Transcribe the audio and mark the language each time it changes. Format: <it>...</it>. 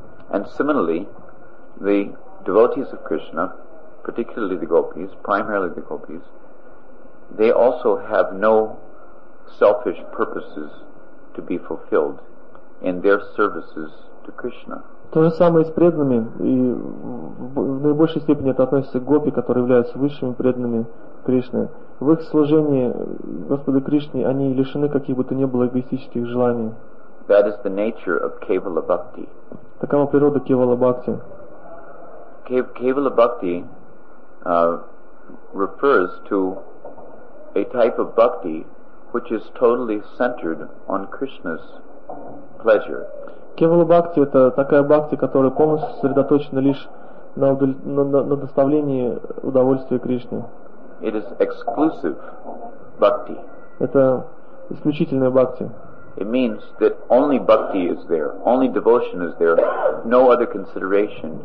<en>And similarly, the devotees of Krishna, particularly the gopis, primarily the gopis, they also have no selfish purposes to be fulfilled in their services to Krishna.</en> <ru>То же самое с преданными, и в наибольшей степени это относится к гопи, которые являются высшими преданными Кришны. В их служении Господу Кришне они лишены каких бы то ни было эгоистических желаний.</ru> <en>That is the nature of Kevala Bhakti.</en> <ru>Такова природа Кевала Бхакти.</ru> <en>Kevala Bhakti refers to a type of bhakti which is totally centered on Krishna's pleasure.</en> <ru>Kevala Bhakti — это такая бхакти, которая полностью сосредоточена лишь на доставлении удовольствия Кришне.</ru> <en>It is exclusive bhakti.</en> <ru>Это исключительная бхакти.</ru> <en>It means that only bhakti is there, only devotion is there, no other consideration.</en>